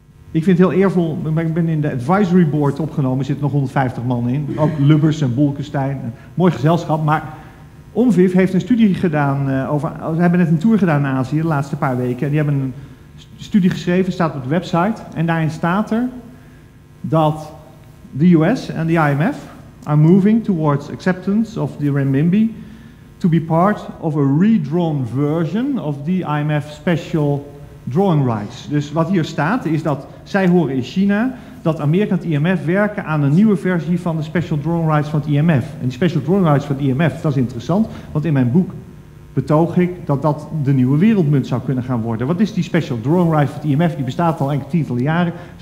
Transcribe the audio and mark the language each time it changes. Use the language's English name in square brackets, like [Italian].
[Dutch] Ik vind het heel eervol, ik ben in de advisory board opgenomen, er zitten nog 150 man in, ook Lubbers en Bolkestein, een mooi gezelschap, maar OMFIF heeft een studie gedaan, ze hebben net een tour gedaan in Azië de laatste paar weken, en die hebben een studie geschreven, staat op de website, en daarin staat er dat de US en de IMF [English] are moving towards acceptance of the renminbi to be part of a redrawn version of the IMF special drawing rights. [Dutch] Dus wat hier staat is dat zij horen in China dat Amerika en het IMF werken aan een nieuwe versie van de special drawing rights van het IMF. En die special drawing rights van het IMF, dat is interessant, want in mijn boek betoog ik dat dat de nieuwe wereldmunt zou kunnen gaan worden. Wat is die special drawing rights van het IMF? Die bestaat al enkele tientallen jaren.